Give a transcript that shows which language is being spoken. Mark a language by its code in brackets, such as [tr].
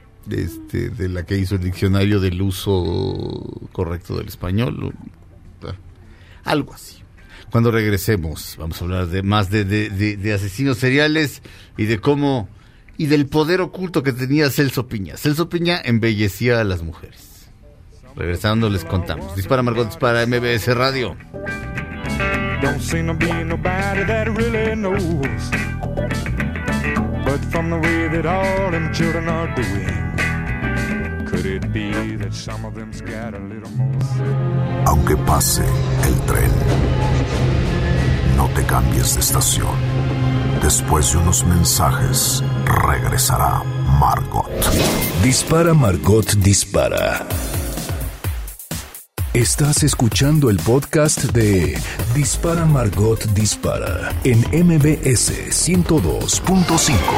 [es] De la que hizo El Diccionario del Uso Correcto del Español. Algo así. Cuando regresemos, vamos a hablar de asesinos seriales y de cómo, y del poder oculto que tenía Celso Piña. Celso Piña embellecía a las mujeres. Regresando les contamos. Dispara Margot, dispara MBS Radio. [en] Don't seem to be nobody that really knows, but from the way that all them children are doing, could it be that some of them's got a little more. [es] Aunque pase el tren, no te cambies de estación. Después de unos mensajes, regresará Margot. Dispara Margot, dispara. Estás escuchando el podcast de Dispara Margot, dispara en MBS 102.5.